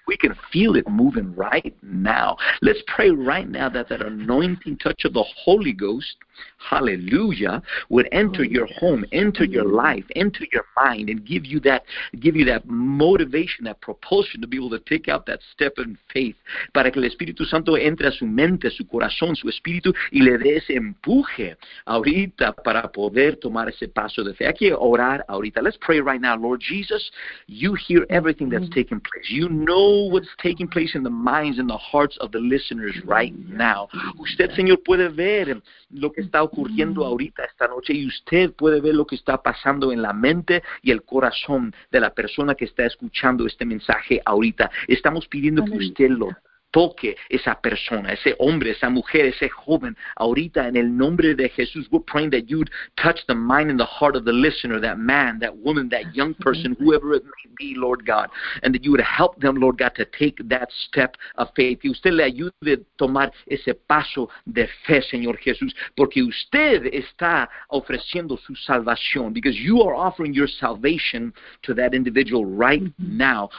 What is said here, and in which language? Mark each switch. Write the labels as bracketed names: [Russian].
[English] We can feel it moving right now. Let's pray right now that anointing touch of the Holy Ghost, hallelujah, would enter your home, enter your life, enter your mind, and give you that motivation, that propulsion to be able to take out that step in faith. [Spanish] Para que el Espíritu Santo entre a su mente, su corazón, su espíritu, y le dé ese empuje ahorita para poder tomar ese paso de fe. Hay que orar ahorita. [English] Let's pray right now. Lord Jesus, you hear everything that's taking place. You know what's taking place in the minds and the hearts of the listeners right now. [Spanish] Usted, Señor, puede ver lo que está ocurriendo ahorita esta noche, y usted puede ver lo que está pasando en la mente y el corazón de la persona que está escuchando este mensaje ahorita. Estamos pidiendo que usted lo toque, esa persona, ese hombre, esa mujer, ese joven, ahorita en el nombre de Jesús. [English] We're praying that you'd touch the mind and the heart of the listener, that man, that woman, that young person, whoever it may be, Lord God, and that you would help them, Lord God, to take that step of faith. [Spanish] Y usted le ayude a tomar ese paso de fe, Señor Jesús, porque usted está ofreciendo su salvación, [English] because you are offering your salvation to that individual right now.